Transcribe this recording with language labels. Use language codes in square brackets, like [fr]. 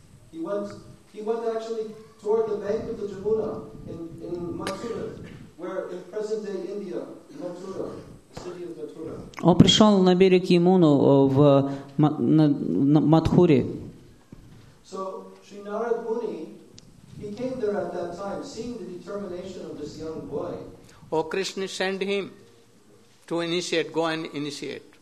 [en] He went actually toward the bank of the Jamuna in Mathura, where in present-day India, Mathura, city of Mathura. [ru] Он пришел на берег Ямуны в Матхуре. [en] So Sri Narad Muni, he came there at that time, seeing the determination of this young boy. Oh, Krishna sent him to initiate, go and initiate.